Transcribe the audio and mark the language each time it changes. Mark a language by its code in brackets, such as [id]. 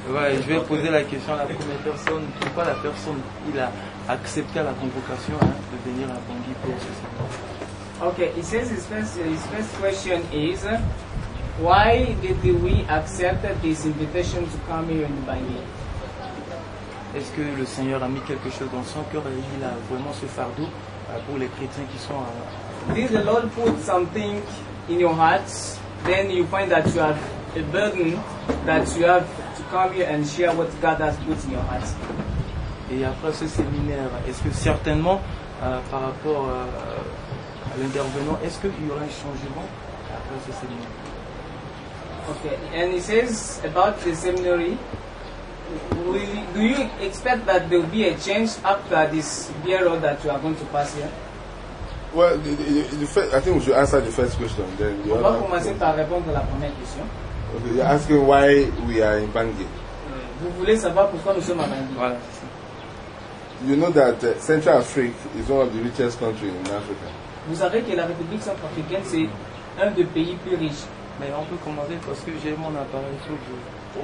[fr] Ouais, je vais poser la question à la première personne. Pourquoi la personne, il a accepté la convocation de venir à Bangui pour ce soir? [en] Ok, il says his first question is, why did we accept this invitation to come here in Bangui? [fr] Est-ce que le Seigneur a mis quelque chose dans son cœur et il a vraiment ce fardeau pour les chrétiens qui sont à Bangui? [en] Did the Lord put something in your heart, then you find that you have a burden that you have to come here and share what God has put in your heart. [fr] Et après ce séminaire, est-ce que certainement par rapport à l'intervenant, est-ce qu'il y aura un changement après ce séminaire? [en] Okay, and he says about the seminary, do you expect that there will be a change after this bureau that you are going to pass here? Well, the first, I think we should answer the first question. Then [fr] on va commencer par répondre à la première question. [en] Okay, you're asking why we are in Bangui. [fr] Vous voulez savoir pourquoi nous sommes à Bangui? Voilà. [en] You know that Central Africa is one of the richest countries in Africa. [fr] Vous savez que la République centrafricaine c'est un des pays plus riches. Mais on peut commencer parce que j'ai mon appareil sur vous.